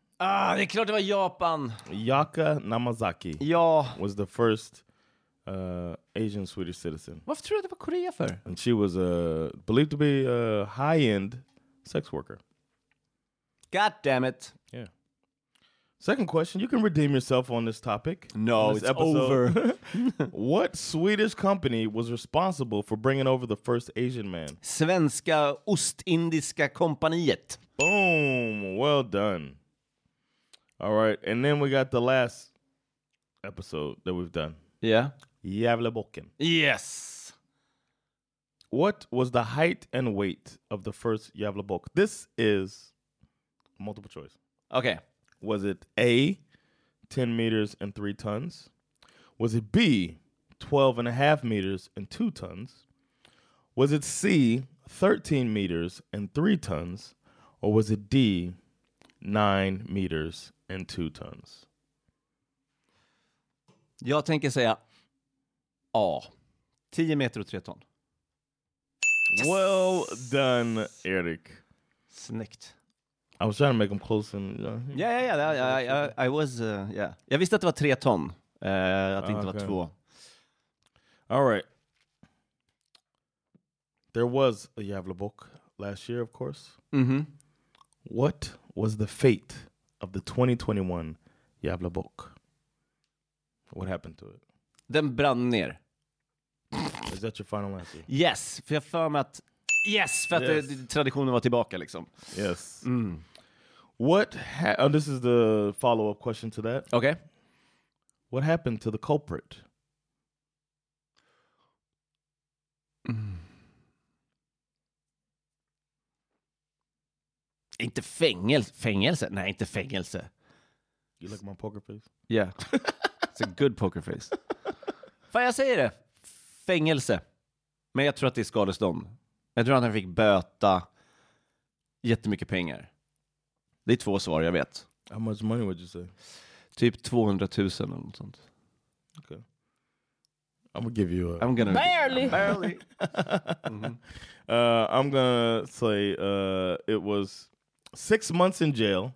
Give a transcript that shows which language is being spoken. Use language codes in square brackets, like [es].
[sv] Ah, det är klart det var Japan. Yaka Namazaki. Ja. [en] Was the first Asian Swedish citizen. [sv] Varför tror du det var Korea för? [en] And she was believed to be a high-end sex worker. God damn it. Yeah. Second question, you can redeem yourself on this topic. No, this it's episode. Over. What Swedish company was responsible for bringing over the first Asian man? [sv] Svenska Ostindiska kompaniet. [en] Boom, well done. All right, and then we got the last episode that we've done. Yeah. Jävla Bocken. Yes. What was the height and weight of the first Jävla Bock? This is multiple choice. Okay. Was it A, 10 meters and 3 tons? Was it B, 12 and a half meters and 2 tons? Was it C, 13 meters and 3 tons? Or was it D, 9 meters and 2 tons? [sv] Jag tänker säga A, 10 meter och 3 ton. [en] Well done, Eric. [sv] Snyggt. [en] I was trying to make them close and Yeah. [sv] Jag visste att det var 3 ton. Att det inte var 2. [en] All right. There was a Jävla Bock last year, of course. Mm-hmm. What was the fate of the 2021 Jävla Bock? What happened to it? [sv] Den brann ner. [en] Is that your final answer? [sv] Yes, för jag för mig att traditionen var tillbaka liksom. [en] Yes. Mm. What this is the follow-up question to that. Okay. What happened to the culprit? [sv] Inte fängelse. Nej, inte fängelse. [en] You look at my poker face? Yeah. It's a good poker face. [sv] Fan, jag säger det. Fängelse. Men jag tror att det är skadestånd. Jag tror att han fick böta jättemycket pengar. Det är 2 svar, jag vet. [en] How much money would you say? [sv] Typ 200 000 eller något sånt. [en] Okay. I'm gonna give you a... I'm gonna... Barely! Mm-hmm. I'm gonna say it was 6 months in jail.